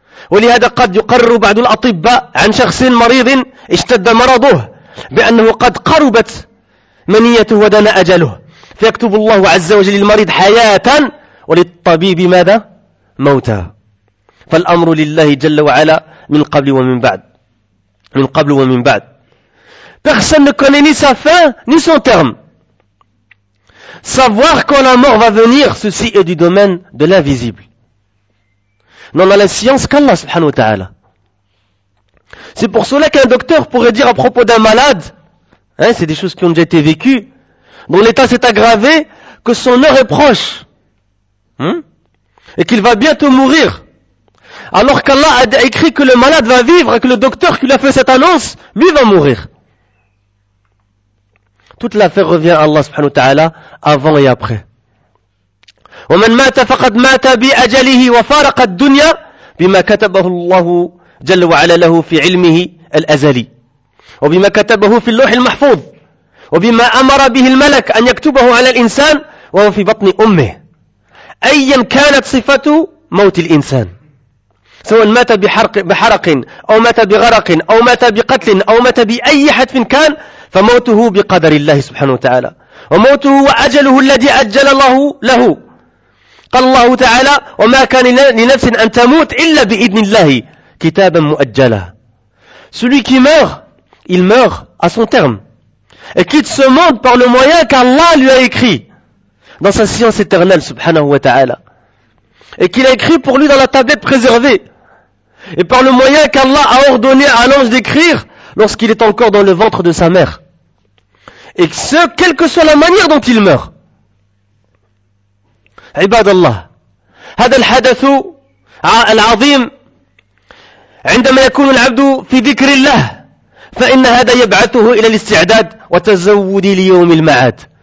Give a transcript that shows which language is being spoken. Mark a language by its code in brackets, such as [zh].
[ar] ولهذا قد يقرر بعض الأطباء عن شخص مريض اشتد مرضه بأنه قد قربت منيته ودنا أجله فيكتب الله عز وجل للمريض حياة وللطبيب ماذا؟ موتا. فالأمر لله جل وعلا من قبل ومن بعد. [fr] Personne ne connaît ni sa fin ni son terme. Savoir quand la mort va venir, ceci est du domaine de l'invisible. N'en a la science qu'Allah subhanahu wa ta'ala. C'est pour cela qu'un docteur pourrait dire à propos d'un malade, c'est des choses qui ont déjà été vécues, dont l'état s'est aggravé, que son heure est proche, et qu'il va bientôt mourir. Alors qu'Allah a écrit que le malade va vivre et que le docteur qui lui a fait cette annonce, lui va mourir. Toute l'affaire revient à Allah subhanahu wa ta'ala avant et après. [ar] ومن مات فقد مات بأجله وفارق الدنيا بما كتبه الله جل وعلا له في علمه الأزلي وبما كتبه في اللوح المحفوظ وبما أمر به الملك أن يكتبه على الإنسان وهو في بطن أمه أيا كانت صفة موت الإنسان سواء مات بحرق أو مات بغرق أو مات بقتل أو مات بأي حتف كان فموته بقدر الله سبحانه وتعالى وموته وأجله الذي أجل الله له. قال الله تعالى وما كان لنفس أن تموت إلا بإذن الله كتابا مؤجلا. [fr] Celui qui meurt, il meurt à son terme et quitte ce monde par le moyen qu'Allah lui a écrit dans sa science éternelle subhanahu wa ta'ala et qu'il a écrit pour lui dans la tablette préservée et par le moyen qu'Allah a ordonné à l'ange d'écrire lorsqu'il est encore dans le ventre de sa mère, et ce quelle que soit la manière dont il meurt. [ar] عباد الله هذا الحدث العظيم عندما يكون العبد في ذكر الله فإن هذا يبعثه إلى الاستعداد وتزود ليوم المعاد.